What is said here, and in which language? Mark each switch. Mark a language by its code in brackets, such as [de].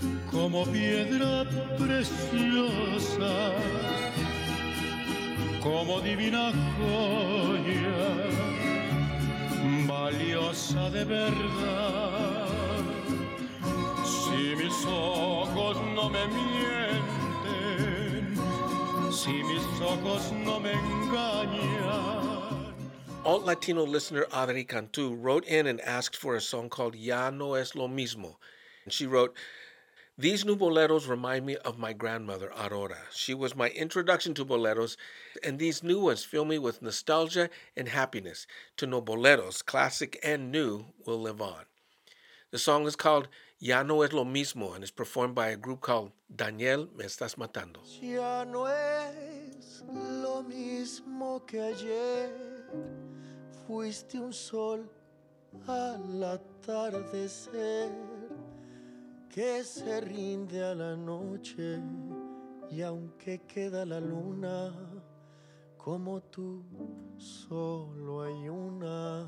[es] Como piedra preciosa, como divina joya, valiosa de verdad. Si mis ojos no me mienten, si mis ojos no me engañan. [en] Alt Latino listener Adri Cantú wrote in and asked for a song called Ya No Es Lo Mismo. And she wrote, "These new boleros remind me of my grandmother, Aurora. She was my introduction to boleros, and these new ones fill me with nostalgia and happiness. To know boleros, classic and new, will live on." The song is called Ya No Es Lo Mismo, and is performed by a group called Daniel Me Estás Matando. [es] Ya no es lo mismo que ayer. Fuiste un sol al atardecer. Que se rinde a la noche y aunque queda la luna, como tú solo hay una.